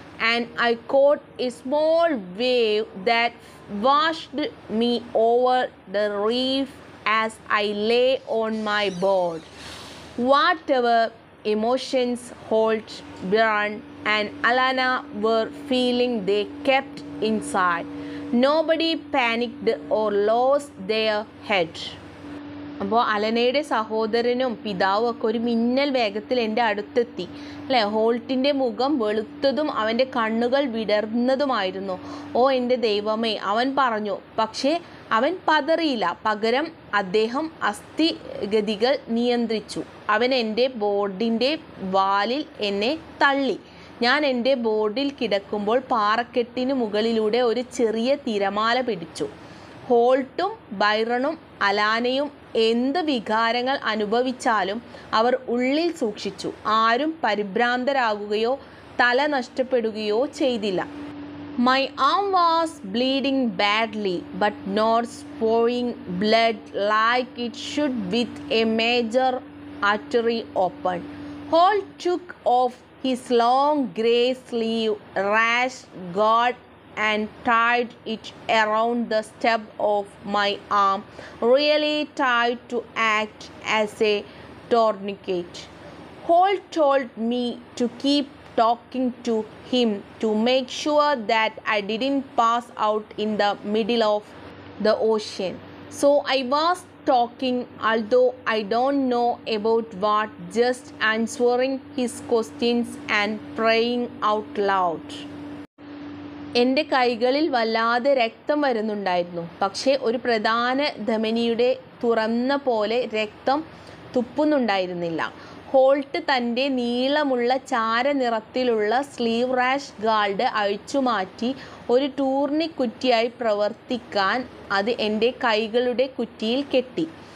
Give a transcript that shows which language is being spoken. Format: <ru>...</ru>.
<en>And I caught a small wave that washed me over the reef as I lay on my board. Whatever emotions Holt, Byron and Alana were feeling, they kept inside. Nobody panicked or lost their head.</en> <ml>അപ്പോൾ അലനയുടെ സഹോദരനും പിതാവും ഒക്കെ ഒരു മിന്നൽ വേഗത്തിൽ എൻ്റെ അടുത്തെത്തി. അല്ലേ, ഹോൾട്ടിൻ്റെ മുഖം വെളുത്തതും അവൻ്റെ കണ്ണുകൾ വിടർന്നതുമായിരുന്നു. ഓ എൻ്റെ ദൈവമേ, അവൻ പറഞ്ഞു. പക്ഷേ അവൻ പതറിയില്ല, പകരം അദ്ദേഹം അസ്ഥിഗതികൾ നിയന്ത്രിച്ചു. അവൻ എൻ്റെ ബോർഡിൻ്റെ വാലിൽ എന്നെ തള്ളി. ഞാൻ എൻ്റെ ബോർഡിൽ കിടക്കുമ്പോൾ പാറക്കെട്ടിന് മുകളിലൂടെ ഒരു ചെറിയ തിരമാല പിടിച്ചു. ഹോൾട്ടും ബൈറണും അലാനയും എന്ത് വികാരങ്ങൾ അനുഭവിച്ചാലും അവർ ഉള്ളിൽ സൂക്ഷിച്ചു. ആരും പരിഭ്രാന്തരാകുകയോ തല നഷ്ടപ്പെടുകയോ ചെയ്തില്ല.</ml> <en>My arm was bleeding badly, but not spewing blood like it should with a major artery open. Hall took off his long grey sleeve rash guard and tied it around the stub of my arm, really tied to act as a tourniquet. Holt told me to keep talking to him to make sure that I didn't pass out in the middle of the ocean. So I was talking, although I don't know about what, just answering his questions and praying out loud.</en> <ml>എൻ്റെ കൈകളിൽ വല്ലാതെ രക്തം വരുന്നുണ്ടായിരുന്നു. പക്ഷേ ഒരു പ്രധാന ധമനിയുടെ തുറന്ന പോലെ രക്തം തുപ്പുന്നുണ്ടായിരുന്നില്ല. ഹോൾട്ട് തൻ്റെ നീളമുള്ള ചാരനിറത്തിലുള്ള സ്ലീവ് റാഷ് ഗാർഡ് അഴിച്ചുമാറ്റി ഒരു ടൂർണി കുറ്റിയായി പ്രവർത്തിക്കാൻ അത് എൻ്റെ കൈകളുടെ കുറ്റിയിൽ കെട്ടി.</ml>